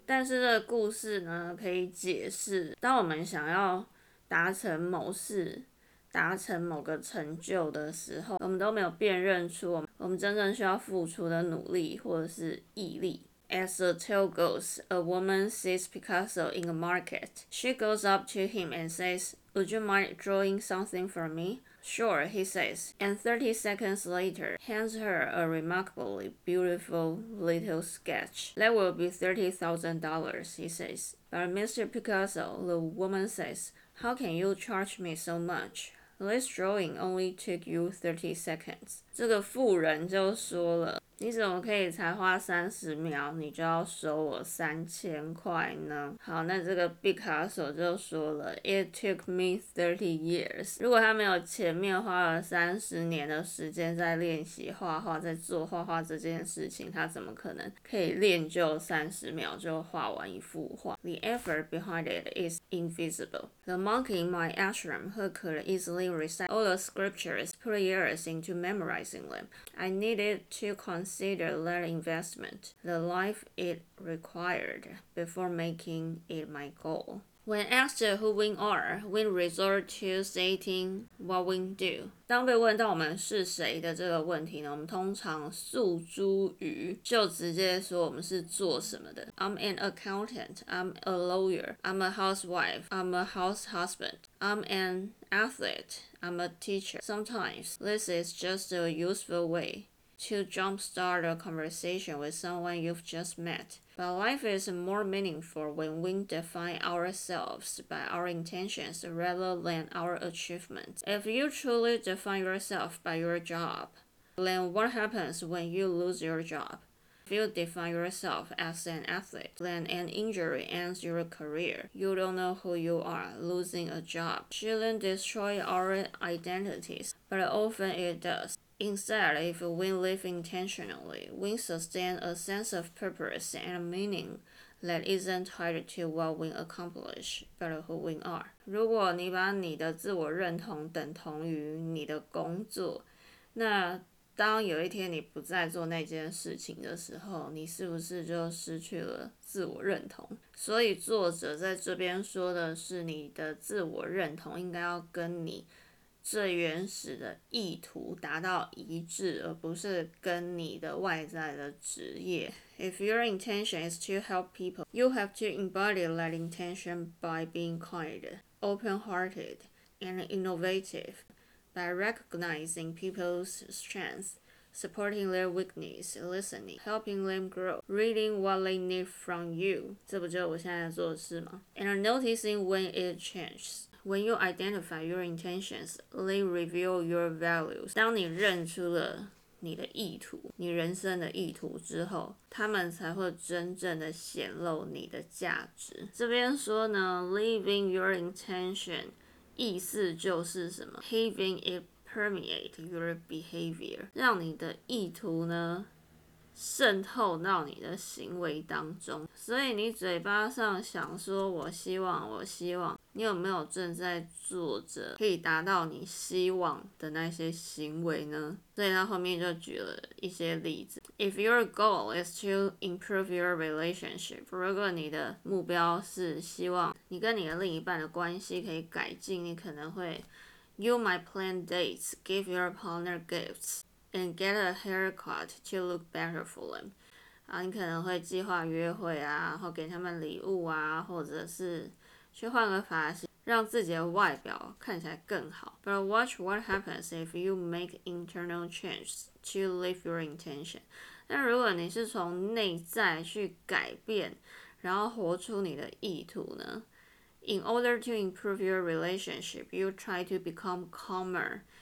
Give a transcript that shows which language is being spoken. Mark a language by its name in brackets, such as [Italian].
[Chinese] 但是这个故事呢，可以解释，当我们想要达成某事、达成某个成就的时候，我们都没有辨认出我们真正需要付出的努力或者是毅力。 [English] As the tale goes, a woman sees Picasso in a market. She goes up to him and says, Would you mind drawing something for me? Sure, he says, and 30 seconds later, hands her a remarkably beautiful little sketch. That will be $30,000, he says. But Mr. Picasso, the woman says, How can you charge me so much? This drawing only took you 30 seconds. [Chinese] 这个妇人就说了，你怎么可以才花30秒你就要收我3000块呢？好，那这个毕卡索就说了， [English] It took me 30 years. [Chinese] 如果他没有前面花了30年的时间在练习画画，在做画画这件事情，他怎么可能可以练就30秒就画完一幅画？ [English] The effort behind it is invisible. The monk in my ashram who could easily recite all the scriptures, put years into memorizing them. I needed to consider that investment, the life it required, before making it my goal. When asked who we are, we resort to stating what we do. [Chinese] 当被问到我们是谁的这个问题呢，我们通常诉诸于就直接说我们是做什么的。 [English] I'm an accountant. I'm a lawyer. I'm a housewife. I'm a house husband. I'm anAthlete, I'm a teacher. Sometimes this is just a useful way to jumpstart a conversation with someone you've just met. But life is more meaningful when we define ourselves by our intentions rather than our achievements. If you truly define yourself by your job, then what happens when you lose your job? If you define yourself as an athlete, then an injury ends your career. You don't know who you are, losing a job. Shouldn't destroy our identities, but often it does. Instead, if we live intentionally, we sustain a sense of purpose and meaning that isn't tied to what we accomplish, but who we are. [Chinese] 如果你把你的自我认同等同于你的工作，那当有一天你不再做那件事情的时候，你是不是就失去了自我认同？所以作者在这边说的是，你的自我认同应该要跟你最原始的意图达到一致，而不是跟你的外在的职业。 [English] If your intention is to help people, you have to embody that intention by being kind, open-hearted, and innovative. By recognizing people's strengths, supporting their weakness, listening, helping them grow, reading what they need from you, [Chinese] 这不就是我现在做的事吗？ [English] And noticing when it changes. When you identify your intentions, they reveal your values. [Chinese] 当你认出了你的意图，你人生的意图之后，他们才会真正的显露你的价值。这边说呢， [English] leaving your intention, [Chinese] 意思就是什么 ？ [English] Having it permeate your behavior， [Chinese] 让你的意图呢渗透到你的行为当中。所以你嘴巴上想说我希望，我希望，你有没有正在做着可以达到你希望的那些行为呢？所以他后面就举了一些例子。 [English] If your goal is to improve your relationship, [Chinese] 如果你的目标是希望你跟你的另一半的关系可以改进，你可能会 [English] You might plan dates, give your partner gifts, and get a haircut to look better for them. [Chinese] 啊，你可能会计划约会啊，然后给他们礼物啊，或者是去换个发型，让自己的外表看起来更好。 [English] But watch what happens if you make internal changes to live your intention. [Chinese] 但如果你是从内在去改变，然后活出你的意图呢？ [English] In order to improve your relationship, you try to become calmer.